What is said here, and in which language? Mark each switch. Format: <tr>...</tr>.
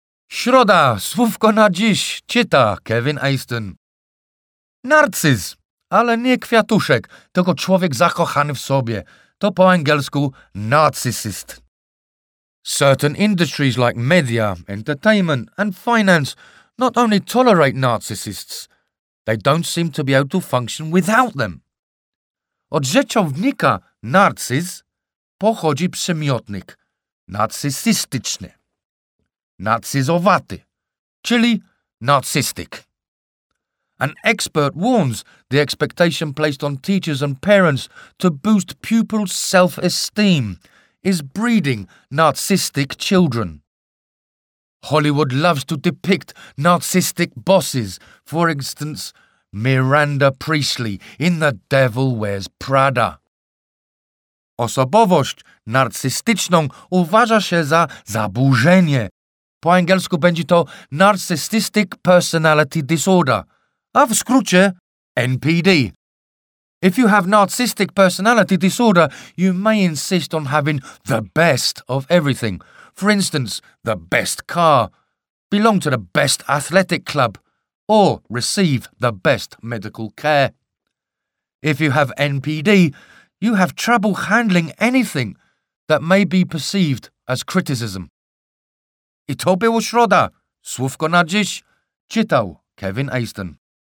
<pl>Środa, słówko na dziś, czyta Kevin Eastman. Narcyz, ale nie kwiatuszek, tylko człowiek zakochany w sobie. To po angielsku narcissist.</pl> <en>Certain industries like media, entertainment and finance not only tolerate narcissists, they don't seem to be able to function without them.</en> <pl>Od rzeczownika narcyz pochodzi przymiotnik narcysistyczny. Narcyzowaty, czyli narcissistic.</pl> <en>An expert warns the expectation placed on teachers and parents to boost pupils' self-esteem is breeding narcissistic children. Hollywood loves to depict narcissistic bosses, for instance, Miranda Priestly in The Devil Wears Prada.</en> <pl>Osobowość narcystyczną uważa się za zaburzenie. Po angielsku będzie to Narcissistic Personality Disorder, a w skrócie NPD.</pl> <en>If you have Narcissistic Personality Disorder, you may insist on having the best of everything. For instance, the best car, belong to the best athletic club, or receive the best medical care. If you have NPD, you have trouble handling anything that may be perceived as criticism.</en> <pl>I to było środa. Słówko na dziś. Czytał Kevin Eastman.</pl>